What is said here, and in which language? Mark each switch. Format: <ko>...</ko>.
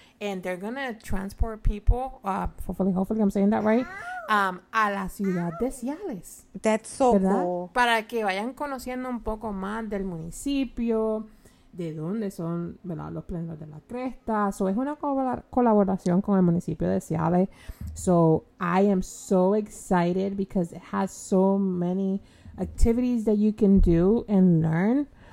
<en>And they're going to transport people, hopefully I'm saying that right,</en> <es>a la ciudad de Ciales.</es> <en>That's so ¿verdad? Cool.</en> <es>Para que vayan conociendo un poco más del municipio, de dónde son, ¿verdad? Los planeros de la cresta. So es una colaboración con el municipio de Ciales.</es> <en>So I am so excited because it has so many activities that you can do and learn.</en>